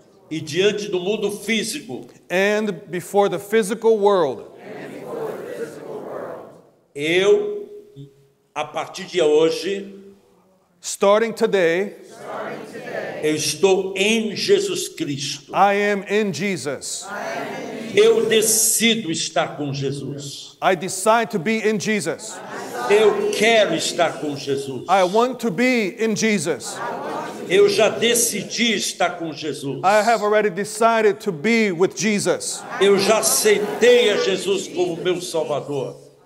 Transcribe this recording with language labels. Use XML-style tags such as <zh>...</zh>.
<pt>e diante do mundo físico,</pt> <en>and before the physical world,</en> <pt>eu, a partir de hoje,</pt> <en>starting today,</en> <pt>eu estou em Jesus Cristo.</pt> <en>I am in Jesus.</en> <pt>Eu decido estar com Jesus.</pt> <en>I decide to be in Jesus.</en> <pt>Eu quero estar com Jesus.</pt> <en>I want to be in Jesus.</en> <pt>Eu já decidi estar com Jesus.</pt> <en>I have already decided to be with Jesus.</en> <pt>Eu já aceitei a Jesus como meu Salvador.</pt>